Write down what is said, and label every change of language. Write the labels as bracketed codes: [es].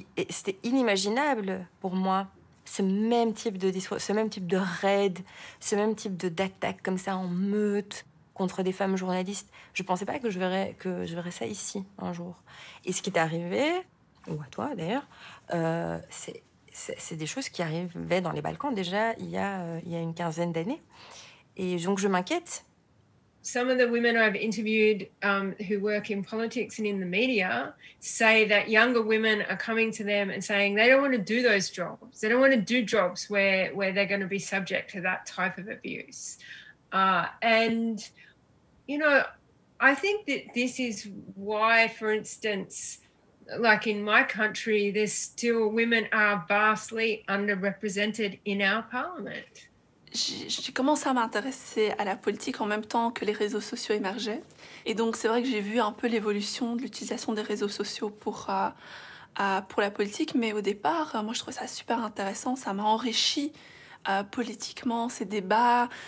[fr] c'était inimaginable pour moi, ce même type de discours, ce même type de raid, ce même type d'attaque comme ça en meute contre des femmes journalistes. Je ne pensais pas que je verrais ça ici un jour. Et ce qui est arrivé, ou à toi d'ailleurs, c'est des choses qui arrivaient dans les Balkans déjà il y a une quinzaine d'années. Et donc je m'inquiète. [en] Some of the women I've interviewed who work in politics and in the media say that younger women are coming to them and saying they don't want to do those jobs. They don't want to do jobs where they're going to be subject to that type of abuse. And, you know, I think that this is why, for instance, like in my country, there's still women are vastly underrepresented in our parliament. [fr] J'ai commencé à m'intéresser à la politique en même temps que les réseaux sociaux émergeaient. Et donc, c'est vrai que j'ai vu un peu l'évolution de l'utilisation des réseaux sociaux pour la politique. Mais au départ, moi, je trouvais ça super intéressant. Ça m'a enrichi politiquement, ces débats.